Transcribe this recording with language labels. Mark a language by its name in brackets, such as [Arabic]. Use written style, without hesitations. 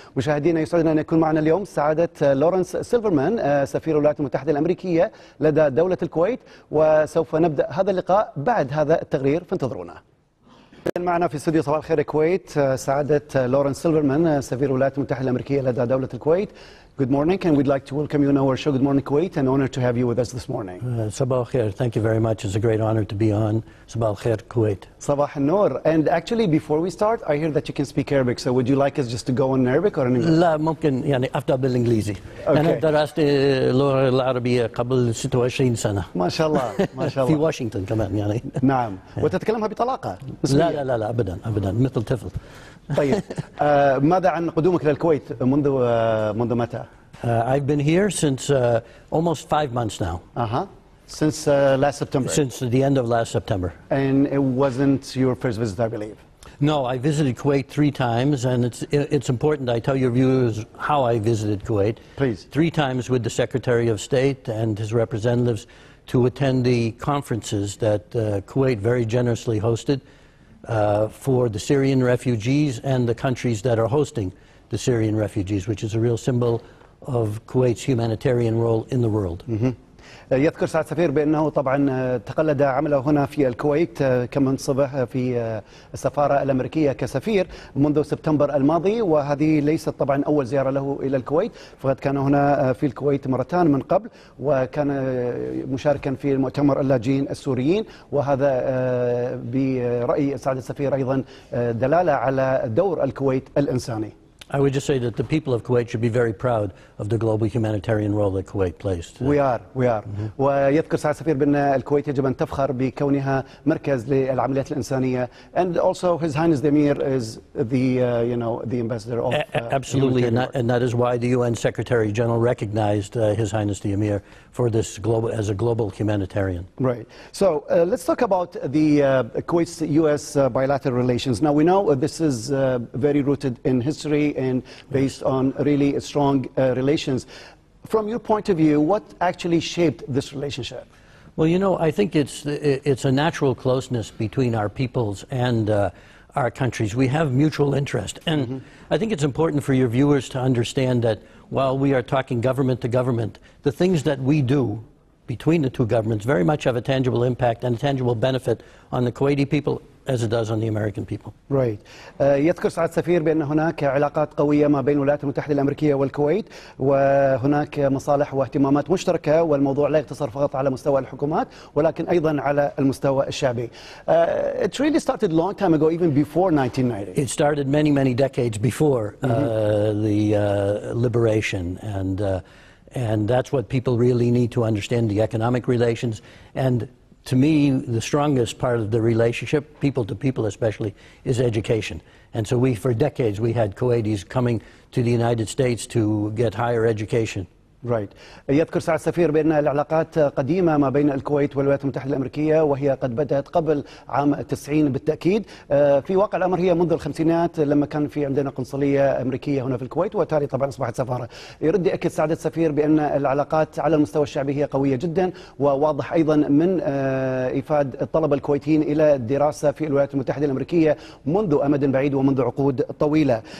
[Arabic] مشاهدينا، يسعدنا أن يكون معنا اليوم سعادة لورانس سيلفرمان، سفير الولايات المتحدة الأمريكية لدى دولة الكويت، وسوف نبدأ هذا اللقاء بعد هذا التقرير، فانتظرونا. معنا في استوديو صباح الخير الكويت سعادة لورانس سيلفرمان، سفير الولايات المتحدة الأمريكية لدى دولة الكويت. [English] Good morning, and we'd like to welcome you on our show. Good morning, Kuwait. An honor to have you with us this morning. [Arabic] Sabah al-khair. [English] Thank you very much. It's a great honor to be on Sabah al-khair, Kuwait. [Arabic] Sabah al-noor. [English] And actually, before we start, I hear that you can speak Arabic. So would you like us just to go in Arabic or in English? [Arabic] La, ممكن يعني أفتح بالإنجليزي. أنا درست اللغة العربية قبل 26 سنة. ما شاء الله. ما شاء الله. في واشنطن كمان يعني. نعم. وتتكلمها بطلاقة. لا لا لا لا أبداً أبداً مثل طفل. طيب ماذا عن قدومك للكويت منذ متى؟ [English] I've been here since almost 5 months now. Since last September. Since the end of last September. And it wasn't your first visit, I believe. No, I visited Kuwait 3 times, and it's important I tell your viewers how I visited Kuwait. Please. 3 times with the Secretary of State and his representatives to attend the conferences that Kuwait very generously hosted. For the Syrian refugees and the countries that are hosting the Syrian refugees, which is a real symbol of Kuwait's humanitarian role in the world. [Arabic] يذكر سعادة السفير بأنه طبعا تقلد عمله هنا في الكويت كمنصب في السفارة الأمريكية كسفير منذ سبتمبر الماضي، وهذه ليست طبعا أول زيارة له إلى الكويت، فقد كان هنا في الكويت مرتان من قبل، وكان مشاركا في المؤتمر اللاجئين السوريين، وهذا برأي سعادة السفير أيضا دلالة على دور الكويت الإنساني. [English] I would just say that the people of Kuwait should be very proud of the global humanitarian role that Kuwait plays. We are. [Arabic] ويذكر سعادة السفير بأن الكويت يجب أن تفخر بكونها مركز للعمليات الإنسانية. [English] And also, His Highness the Emir is the the ambassador of. Absolutely, and that is why the UN Secretary General recognized His Highness the Emir for this global as a global humanitarian. Right. So let's talk about the Kuwait's U.S. Bilateral relations. Now we know this is very rooted in history. And based on really strong relations. From your point of view, what actually shaped this relationship? Well, you know, I think it's a natural closeness between our peoples and our countries. We have mutual interest. And I think it's important for your viewers to understand that while we are talking government to government, the things that we do between the two governments very much have a tangible impact and a tangible benefit on the Kuwaiti people. As it does on the American people. Right. [Arabic] يذكر سعادة السفير بأن هناك علاقات قوية ما بين الولايات المتحدة الأمريكية والكويت، وهناك مصالح واهتمامات مشتركة، والموضوع لا يقتصر فقط على مستوى الحكومات ولكن أيضا على المستوى الشعبي. [English] It really started long time ago, even before 1990. It started many, many decades before the liberation, and that's what people really need to understand: the economic relations and. To me, the strongest part of the relationship, people to people especially, is education. And so we, for decades, we had Kuwaitis coming to the United States to get higher education. Right. [Arabic] يذكر سعادة السفير بأن العلاقات قديمة ما بين الكويت والولايات المتحدة الأمريكية، وهي قد بدأت قبل عام 90 بالتأكيد. في واقع الأمر هي منذ الخمسينات لما كان في عندنا قنصلية أمريكية هنا في الكويت، وتالي طبعا أصبحت سفارة. يرد أكد سعادة السفير بأن العلاقات على المستوى الشعبي هي قوية جدا، وواضح أيضا من إفاد الطلبة الكويتيين إلى الدراسة في الولايات المتحدة الأمريكية منذ أمد بعيد ومنذ عقود طويلة.